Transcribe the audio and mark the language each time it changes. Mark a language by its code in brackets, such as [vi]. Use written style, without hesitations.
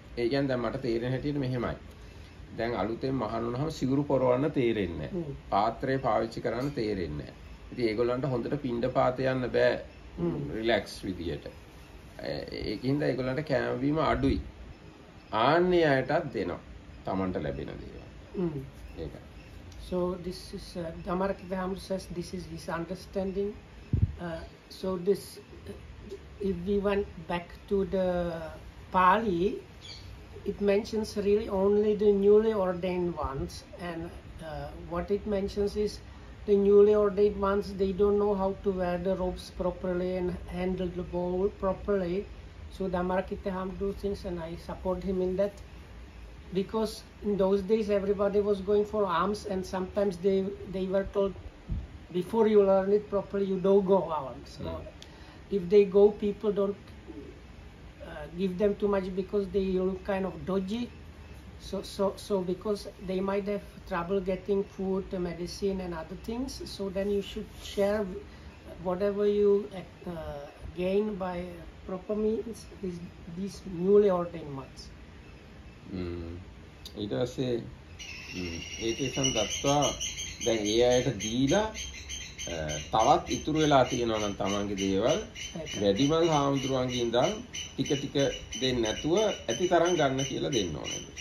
[si] ඒ කියන්නේ දැන් මට තේරෙන හැටියට මෙහෙමයි. දැන් අලුතෙන් මහාන වුණාම සිවුරු පොරවන්න තේරෙන්නේ නැහැ. පාත්‍රය පාවිච්චි කරන්න තේරෙන්නේ නැහැ. ඉතින් ඒගොල්ලන්ට හොඳට පිණ්ඩ පාත යන්න බෑ රිලැක්ස් විදියට. ඒකින්ද ඒගොල්ලන්ට කෑම බීම අඩුයි. ආන්නේ අයටත් දෙනවා. Tamanට ලැබෙන දේවා. ඒක. [en] So this is Damarak Dham says this is his understanding. So this if we went back to the Pali, it mentions really only the newly ordained ones, and what it mentions is the newly ordained ones, they don't know how to wear the robes properly and handle the bowl properly. So Dhammarakittaham do things, and I support him in that, because in those days everybody was going for alms, and sometimes they were told, before you learn it properly, you don't go alms. So if they go, people don't give them too much because they look kind of dodgy. So because they might have trouble getting food, medicine and other things, so then you should share whatever you gain by proper means with these newly ordained monks. [si] ඊට පස්සේ ඒකේ සම්ගත්තා දැන් ඒ අයට දීලා තවත් ඉතුරු වෙලා තියෙනවා නම් තමන්ගේ දේවල් වැඩිමල් හාමුදුරුවන්ගේ ඉඳන් ටික ටික දෙන්න නැතුව ඇති තරම් ගන්න කියලා දෙන්න ඕනේ.